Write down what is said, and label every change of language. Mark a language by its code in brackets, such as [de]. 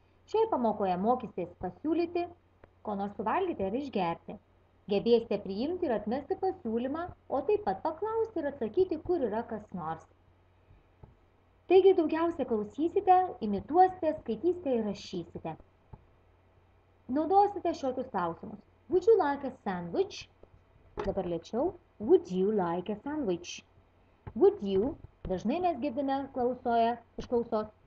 [lt] Šioje pamokoje mokysitės pasiūlyti, ko nors suvalgyti ar išgerti. Gebėsite priimti ir atmesti pasiūlymą, o taip pat paklausti ir atsakyti, kur yra kas nors. Taigi daugiausia klausysite, imituosite, skaitysite ir rašysite. Naudosite šiokius klausimus. [en] Would you like a sandwich? [lt] Dabar lėčiau. [en] Would you like a sandwich? Would you? [lt] Dažnai mes girdime klausoje iš klausos.